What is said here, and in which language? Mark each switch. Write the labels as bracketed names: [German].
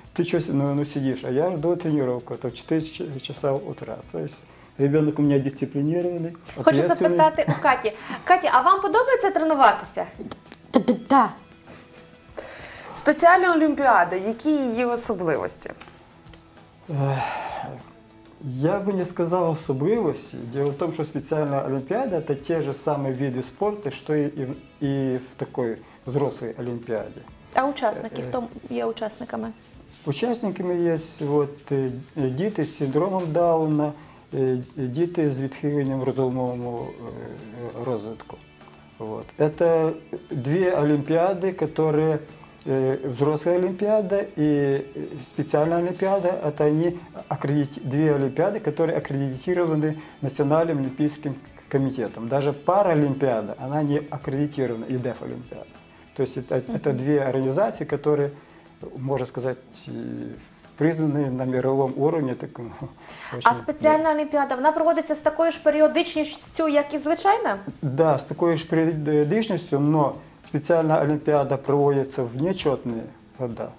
[Russian] Ты что, ну сидишь, а я жду тренировку, это в 4 часа утра. То есть ребенок у меня дисциплинированный, ответственный. [Ukrainian] Хочу запитати у Каті. Каті, а вам подобається тренуватися? [Russian] Да. [Ukrainian] Спеціальна олімпіада, які її особливості? [Russian] Я бы не сказал особливости. Дело в том, что специальная олимпиада – это те же самые виды спорта, что и в такой взрослой олимпиаде. А участники, кто є участниками? Участниками есть вот, [Ukrainian] діти с синдромом Дауна, діти с відхиленням в розумовом розвитку. [Russian] Вот. Это две олимпиады, которые… Взрослая олимпиада и специальная олимпиада – это они две олимпиады, которые аккредитированы Национальным олимпийским комитетом. Даже паралимпиада, она не аккредитирована, и деф-олимпиада. То есть это две организации, которые, можно сказать, признаны на мировом уровне. Так, а специальная олимпиада, она проводится с такой же периодичностью, как и звичайно? Да, с такой же периодичностью, но… [Ukrainian] Спеціальна олімпіада проводиться в нечотні роки.